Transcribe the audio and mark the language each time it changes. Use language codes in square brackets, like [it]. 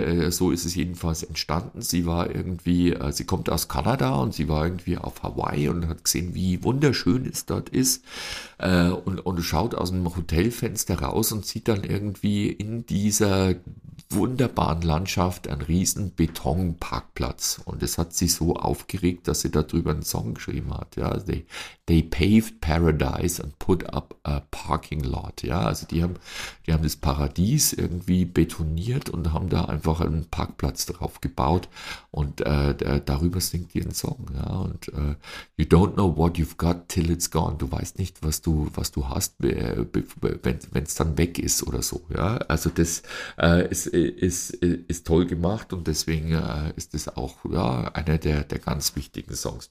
[de] so ist es jedenfalls entstanden, sie war irgendwie, sie kommt aus Kanada und sie war irgendwie auf Hawaii und hat gesehen, wie wunderschön es dort ist und schaut aus dem Hotelfenster raus und sieht dann irgendwie in dieser wunderbaren Landschaft einen riesen Betonparkplatz. Und es hat sie so aufgeregt, dass sie darüber einen Song geschrieben hat. [en] Ja, they paved paradise and put up a parking lot. [de] Ja, also die haben das Paradies irgendwie betoniert und haben da einfach einen Parkplatz drauf gebaut. Und darüber singt die einen Song. Ja, und [en] you don't know what you've got till it's gone. [de] Du weißt nicht, was du hast, wenn es dann weg ist oder so. Ja, also das ist toll gemacht und deswegen ist es auch ja, einer der ganz wichtigen Songs.